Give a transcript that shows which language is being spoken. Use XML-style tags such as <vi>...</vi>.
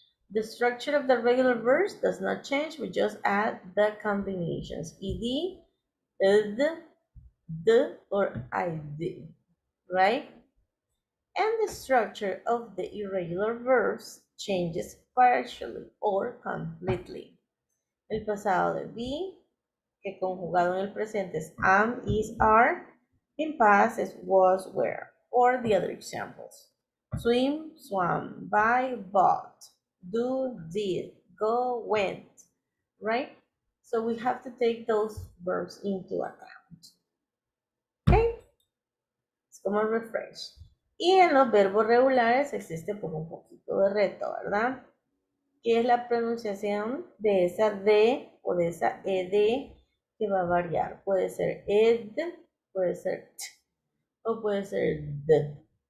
<en>The structure of the regular verbs does not change, we just add the combinations. ED, ED, D, or ID. Right? And the structure of the irregular verbs changes partially or completely.</en> <es>El pasado de be, que conjugado en el presente es am, is, are.</es> <en>In past es was, were. Or the other examples. Swim, swam, buy, bought. Do, did, go, went, right? So we have to take those verbs into account.</en> <es>Okay? Es como refresh. Y en los verbos regulares existe como un poquito de reto, ¿verdad? Que es la pronunciación de esa D o de esa ED que va a variar. Puede ser ed, puede ser t, o puede ser d.</es>